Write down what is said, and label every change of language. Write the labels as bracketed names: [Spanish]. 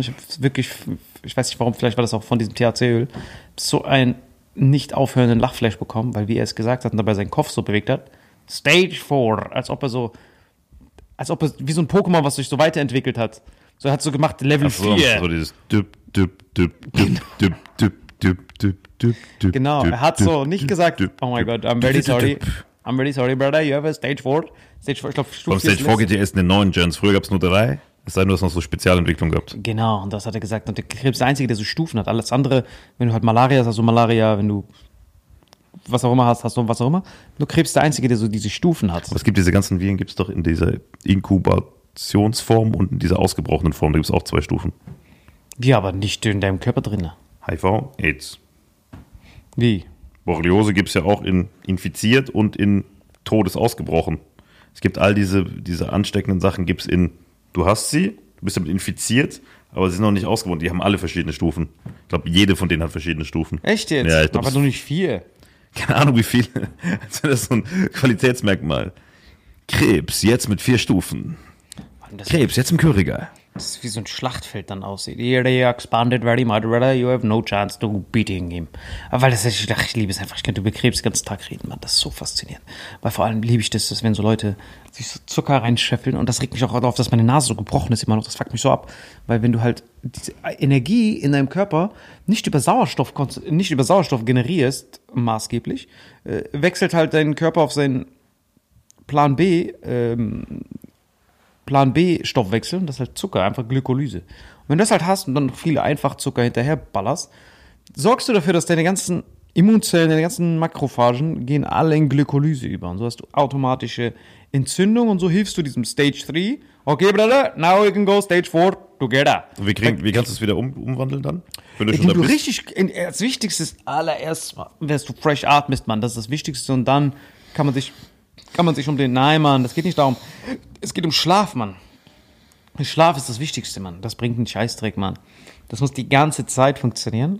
[German] Ich habe wirklich, ich weiß nicht warum, vielleicht war das auch von diesem THC-Öl, so einen nicht aufhörenden Lachflash bekommen, weil wie er es gesagt hat und dabei seinen Kopf so bewegt hat, Stage 4, als ob er wie so ein Pokémon, was sich so weiterentwickelt hat. So hat es so gemacht, Level 4. Ach so, dieses düpp, düpp, düpp, düpp, düpp, düpp, düpp, düpp, düpp. Genau, er hat so nicht gesagt, [English] oh my God, I'm very sorry. I'm really sorry, brother, you have a Stage 4. [German] Stage 4, ich glaube, Stufe 4. Stage 4 geht ja erst in den neuen Gens. Früher gab es nur 3. Es sei denn, du hast noch so Spezialentwicklung gehabt. Genau, und das hat er gesagt. Und der Krebs ist der Einzige, der so Stufen hat. Alles andere, wenn du halt Malaria hast, hast du Malaria, wenn du was auch immer hast, hast du was auch immer. Nur Krebs ist der Einzige, der so diese Stufen hat. Aber es gibt diese ganzen Viren, gibt es doch in dieser Inkubationsform und in dieser ausgebrochenen Form. Da gibt es auch 2 Stufen. Ja, aber nicht in deinem Körper drin. HIV, AIDS. Wie? Borreliose gibt es ja auch in infiziert und in todesausgebrochen. Es gibt all diese ansteckenden Sachen, gibt es in, du hast sie, du bist damit infiziert, aber sie sind noch nicht ausgebrochen. Die haben alle verschiedene Stufen. Ich glaube, jede von denen hat verschiedene Stufen. Echt jetzt? Ja, ich glaub, aber nur nicht vier. Keine Ahnung, wie viele. Also das ist so ein Qualitätsmerkmal. Krebs, jetzt mit vier Stufen. Mann, Krebs, jetzt im Chöriger. Das ist wie so ein Schlachtfeld dann aussieht. [English] Here they expanded very much, rather you have no chance to beating him. [German] Aber weil das ist, ich liebe es einfach. Ich könnte über Krebs den ganzen Tag reden, Mann. Das ist so faszinierend. Weil vor allem liebe ich das, dass wenn so Leute sich so Zucker reinscheffeln und das regt mich auch darauf, dass meine Nase so gebrochen ist immer noch. Das fuckt mich so ab. Weil wenn du halt diese Energie in deinem Körper nicht über Sauerstoff generierst, maßgeblich, wechselt halt dein Körper auf seinen Plan B, Plan B Stoffwechsel, das ist halt Zucker, einfach Glykolyse. Und wenn du das halt hast und dann noch viele Einfachzucker hinterher ballerst, sorgst du dafür, dass deine ganzen Immunzellen, deine ganzen Makrophagen gehen alle in Glykolyse über. Und so hast du automatische Entzündung und so hilfst du diesem Stage 3. [English] Okay, Brother, now we can go Stage 4 together. [German] Und wie kannst du es wieder umwandeln dann? Wenn du schon da bist? Richtig, das Wichtigste ist allererst, wenn du fresh atmest, Mann, das ist das Wichtigste. Und dann kann man sich um den, nein, Mann, das geht nicht darum. Es geht um Schlaf, Mann. Schlaf ist das Wichtigste, Mann. Das bringt einen Scheißdreck, Mann. Das muss die ganze Zeit funktionieren.